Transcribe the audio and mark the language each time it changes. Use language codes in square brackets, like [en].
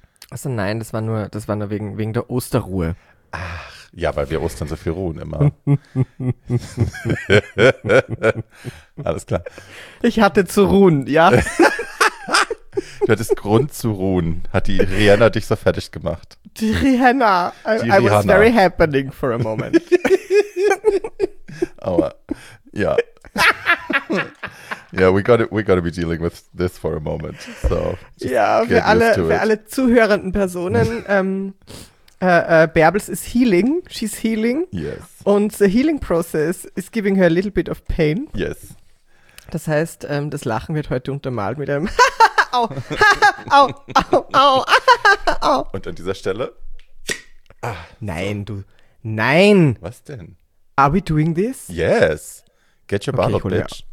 [de] Achso, nein, das war nur wegen der Osterruhe. Ach, ja, weil wir Ostern so viel ruhen immer. Alles klar. Ich hatte zu ruhen, ja. Du hattest Grund zu ruhen, hat die Rihanna dich so fertig gemacht. Die Rihanna. [en] I was very happening for a moment. [de] Aua, ja. [en] Yeah, we gotta be dealing with this for a moment. [de] So, ja, für alle zuhörenden Personen, Bärbels ist [en] healing, she's healing. Yes. Und the healing process is giving her a little bit of pain. Yes. [de] Das heißt, das Lachen wird heute untermalt mit einem au, au, au, au, au. Und an dieser Stelle? Ah, nein, so. Du, nein. Was denn? [en] Are we doing this? Yes. Get your bottle, okay, bitch.